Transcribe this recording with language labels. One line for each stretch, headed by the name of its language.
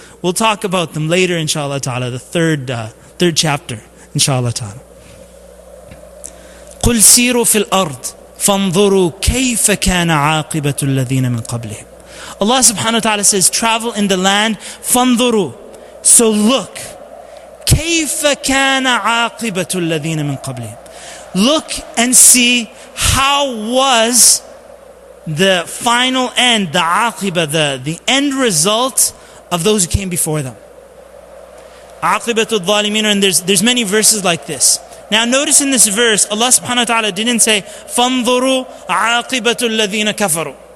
English: We'll talk about them later, inshallah ta'ala, the third chapter, inshallah ta'ala.
Arabic: قُلْ سِيرُوا فِي الْأَرْضِ فَانْظُرُوا كَيْفَ كَانَ عَاقِبَةُ الَّذِينَ مِنْ قَبْلِهِمْ.
English: Allah subhanahu wa ta'ala says, travel in the land,
Arabic: فَانْظُرُوا.
English: So look,
Arabic: كَيْفَ كَانَ عَاقِبَةُ الَّذِينَ مِنْ قَبْلِهِمْ.
English: Look and see how was the final end, the عَاقِبَةُ, the end result of those who came before them.
Arabic: عَاقِبَةُ الظَّالِمِينَ,
English: and there's many verses like this. Now notice in this verse, Allah subhanahu wa ta'ala didn't say,
Arabic: فَانْظُرُوا عَاقِبَةُ الَّذِينَ كَفَرُوا.